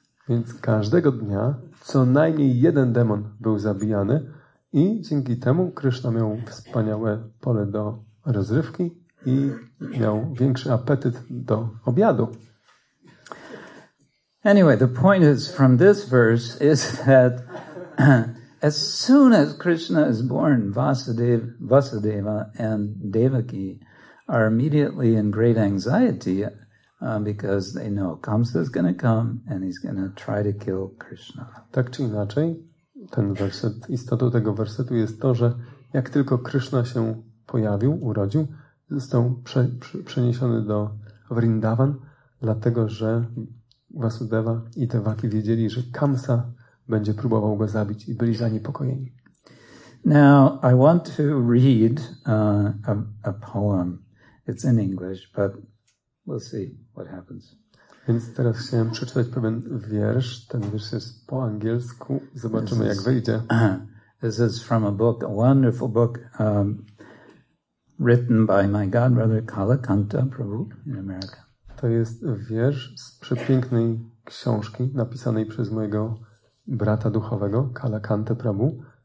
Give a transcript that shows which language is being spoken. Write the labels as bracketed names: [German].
[Polish] Więc każdego dnia co najmniej jeden demon był zabijany i dzięki temu Krishna miał wspaniałe pole do rozrywki i miał większy apetyt do obiadu. [English] Anyway, the point is from this verse is that as soon as Krishna is born, Vasudeva and Devaki are immediately in great anxiety because they know Kamsa is going to come and he's going to try to kill Krishna. [Polish] Tak czy inaczej, ten werset, istotą tego wersetu jest to, że jak tylko Krishna się pojawił, urodził, został przeniesiony do Vrindavan, dlatego że Vasudeva i Devaki wiedzieli, że Kamsa będzie próbował go zabić i byli zaniepokojeni. [English] Now I want to read a poem It's in English, but we'll see what happens. [Polish] Więc teraz chciałem przeczytać pewien wiersz. Ten wiersz jest po angielsku. Zobaczymy, jak wyjdzie. [English] This is from a book, a wonderful book, written by my godbrother Kalakanta Prabhu in America. [Polish] To jest wiersz z przepięknej książki napisanej przez mojego brata duchowego, Kalakanta Prabhu.